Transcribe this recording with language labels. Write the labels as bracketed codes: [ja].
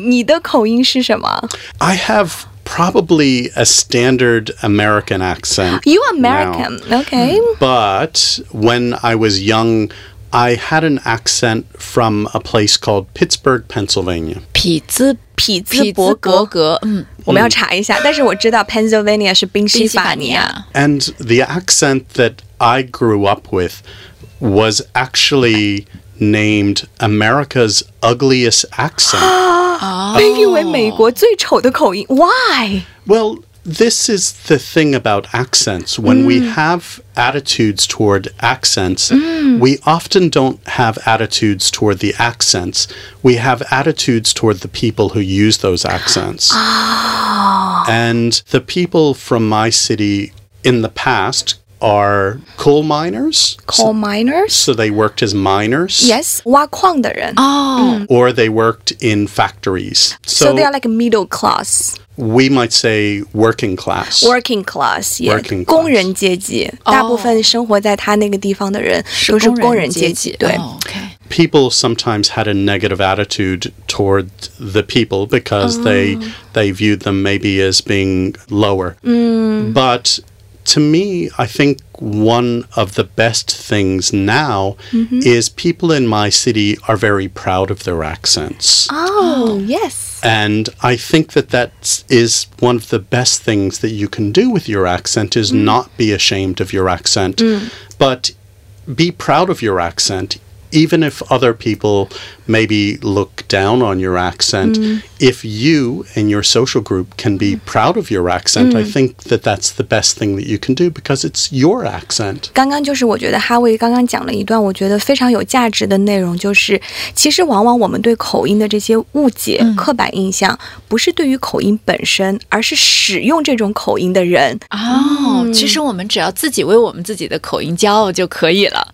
[zh] 你的口音是什么? [en] I have... Probably a standard American accent. You American, now, okay. But when I was young, I had an accent from a place called Pittsburgh, Pennsylvania. Pittsburgh. [zh] 我们要查一下，但是我知道 Pennsylvania 是宾夕法尼亚。 [en] And the accent that I grew up with was actually named America's Ugliest Accent. Oh. [zh] 被誉为美国最丑的口音 [en] Why? Well, this is the thing about accents. When we have attitudes toward accents, we often don't have attitudes toward the accents. We have attitudes toward the people who use those accents. And the people from my city in the past... are coal miners. Coal miners? So they worked as miners. [zh] Yes, 挖矿的人。 Oh. [en] Or they worked in factories. So they are like middle class. We might say working class. Working class, yeah. Working class. [zh] 工人阶级。大部分生活在他那个地方的人都是工人阶级。对。 [en] People sometimes had a negative attitude toward the people because they viewed them maybe as being lower. But... To me, I think one of the best things now is people in my city are very proud of their accents. Oh, yes. And I think that that is one of the best things that you can do with your accent is not be ashamed of your accent, but be proud of your accent, even if other people maybe look down on your accent. If you and your social group can be proud of your accent, I think that that's the best thing that you can do because it's your accent. [zh] 刚刚就是我觉得 Howie 刚刚讲了一段我觉得非常有价值的内容就是其实往往我们对口音的这些误解、刻板印象不是对于口音本身而是使用这种口音的人。哦、其实我们只要自己为我们自己的口音骄傲就可以了。